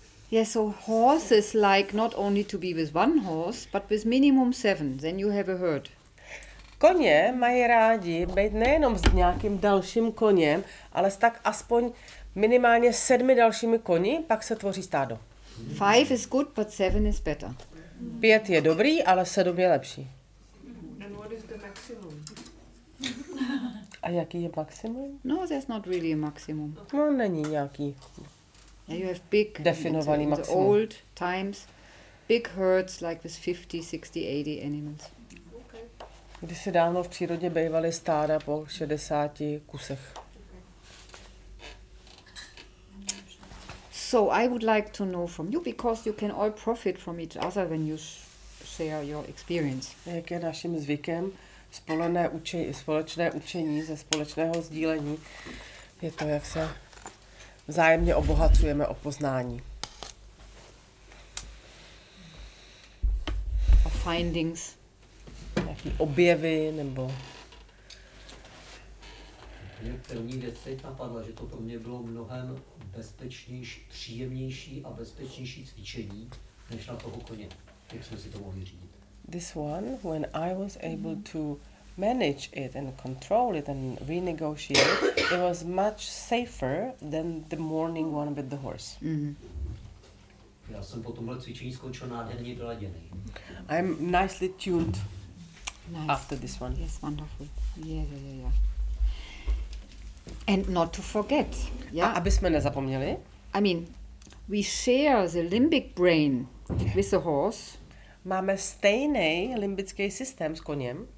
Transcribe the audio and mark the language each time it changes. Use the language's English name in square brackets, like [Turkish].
[English] Yes, so horses like not only to be with one horse, but with minimum seven, then you have a herd. [Czech] Koně mají rádi být nejenom s nějakým dalším koněm, ale s tak aspoň minimálně sedmi dalšími koni, pak se tvoří stádo. [English] Five is good, but seven is better. [Czech] Pět je dobrý, ale sedm je lepší. [English] And what is the maximum? [Czech] A jaký je maximum? [English] No, there's not really a maximum. [Czech] No, není nějaký. [English] Yeah, you have big, [Czech] definovaný maximum. [English] The old times, big herds like with 50, 60, 80 animals. [Czech] Když se dávno v přírodě bývaly stáda po 60 kusech. [English] So I would like to know from you, because you can all profit from each other when you share your experience. [Czech] Jak je naším zvykem, společné učení ze společného sdílení, je to, jak se vzájemně obohacujeme o poznání. [English] O findings. [Czech] Nějaké objevy, nebo... Mě první věc teď napadla, že to pro mě bylo mnohem bezpečnější, příjemnější a bezpečnější cvičení, než na toho koně, jak jsme si to mohli řídit. [English] This one, when I was able to manage it and control it and renegotiate, it was much safer than the morning one with the horse. Mm-hmm. [Czech] Já jsem po tomhle cvičení skončil nádherně doladěný. [English] I'm nicely tuned. Nice. After this one. Yes, wonderful. Yeah. And not to forget. Yeah. [Czech] Aby jsme nezapomněli. [English] I mean, we share the limbic brain with the horse. [Czech] Máme stejný limbický systém s koněm.